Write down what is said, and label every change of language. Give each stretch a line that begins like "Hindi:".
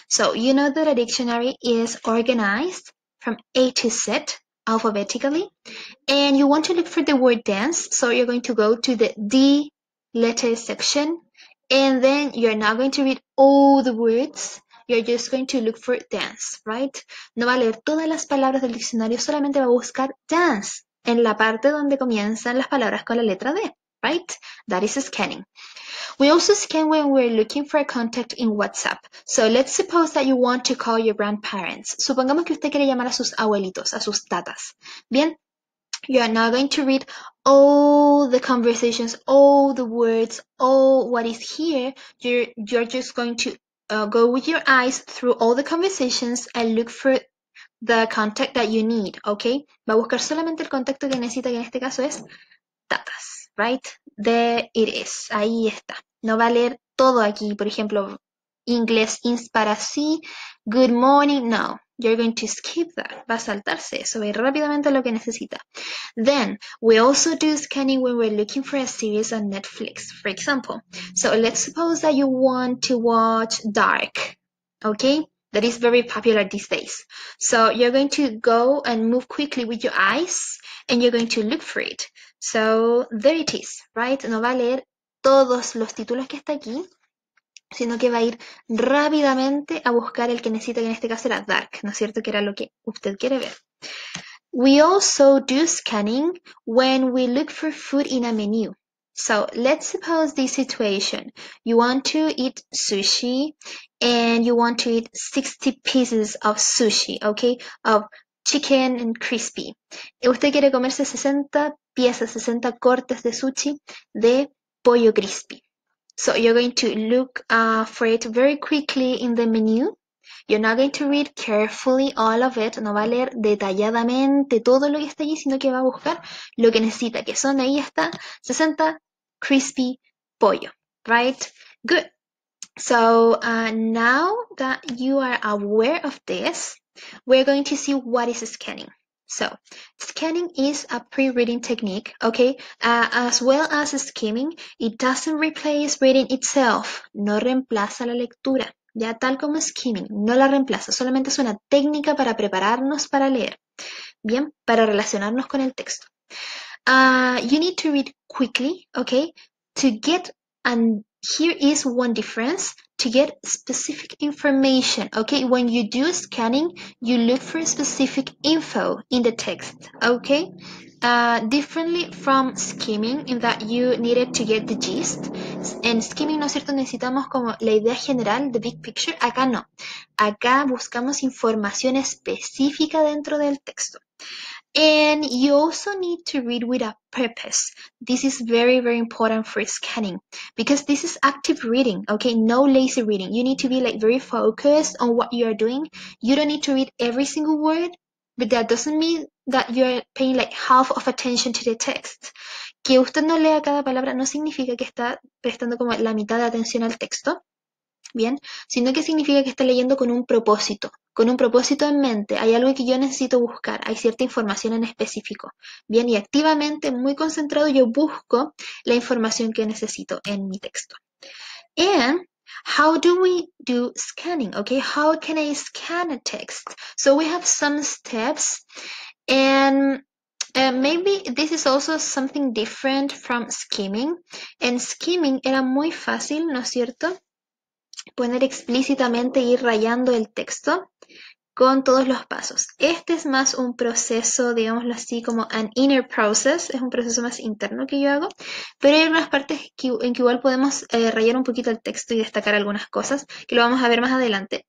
English: So you know that a dictionary is organized from A to Z alphabetically, and you want to look for the word dance, so you're going to go to the D letter section, and then you're not going to read all the words, you're just going to look for dance, right?
Spanish: No va a leer todas las palabras del diccionario, solamente va a buscar dance en la parte donde comienzan las palabras con la letra D,
English: right? That is scanning. We also scan when we're looking for a contact in WhatsApp. So let's suppose that you want to call your grandparents.
Spanish: Supongamos que usted quiere llamar a sus abuelitos, a sus tatas. Bien,
English: you are now going to read all the conversations, all the words, all what is here. You're just going to go with your eyes through all the conversations and look for the contact that you need, okay?
Spanish: Va a buscar solamente el contacto que necesita, que en este caso es tatas.
English: Right? There it is.
Spanish: Ahí está. No va a leer todo aquí. Por ejemplo, inglés ins para sí.
English: Good morning.
Spanish: No.
English: You're going to skip that.
Spanish: Va a saltarse eso. Ve rápidamente lo que necesita.
English: Then, we also do scanning when we're looking for a series on Netflix, for example. So, let's suppose that you want to watch Dark. Okay? That is very popular these days. So, you're going to go and move quickly with your eyes and you're going to look for it. So, there it is, right?
Spanish: No va a leer todos los títulos que está aquí, sino que va a ir rápidamente a buscar el que necesita, que en este caso era Dark, ¿no es cierto? Que era lo que usted quiere ver.
English: We also do scanning when we look for food in a menu. So, let's suppose this situation. You want to eat sushi and you want to eat 60 pieces of sushi, okay? Of chicken and crispy.
Spanish: Y usted quiere comerse 60 piezas, 60 cortes de sushi de pollo crispy.
English: So you're going to look for it very quickly in the menu. You're not going to read carefully all of it.
Spanish: No va a leer detalladamente todo lo que está allí, sino que va a buscar lo que necesita, que son, ahí está, 60 crispy pollo.
English: Right? Good. So now that you are aware of this, we're going to see what is scanning. So, scanning is a pre-reading technique, okay, as well as skimming. It doesn't replace reading itself.
Spanish: No reemplaza la lectura, ya tal como skimming, no la reemplaza. Solamente es una técnica para prepararnos para leer, bien, para relacionarnos con el texto.
English: You need to read quickly, okay, to get, and here is one difference, to get specific information, okay? When you do scanning, you look for specific info in the text, okay? Differently from skimming, in that you needed to get the gist.
Spanish: En skimming, ¿no es cierto? Necesitamos como la idea general,
English: the big picture.
Spanish: Acá no. Acá buscamos información específica dentro del texto.
English: And you also need to read with a purpose. This is very, very important for scanning because this is active reading, okay? No lazy reading. You need to be like very focused on what you are doing. You don't need to read every single word, but that doesn't mean that you're paying like half of attention to the text.
Spanish: Que usted no lea cada palabra no significa que está prestando como la mitad de atención al texto, bien, sino que significa que está leyendo con un propósito. Con un propósito en mente, hay algo que yo necesito buscar, hay cierta información en específico. Bien, y activamente, muy concentrado, yo busco la información que necesito en mi texto.
English: And how do we do scanning? Okay, how can I scan a text? So we have some steps, and maybe this is also something different from skimming.
Spanish: And skimming era muy fácil, ¿no es cierto? Poner explícitamente ir rayando el texto con todos los pasos. Este es más un proceso, digámoslo así, como
English: an inner process.
Spanish: Es un proceso más interno que yo hago. Pero hay algunas partes en que igual podemos rayar un poquito el texto y destacar algunas cosas que lo vamos a ver más adelante.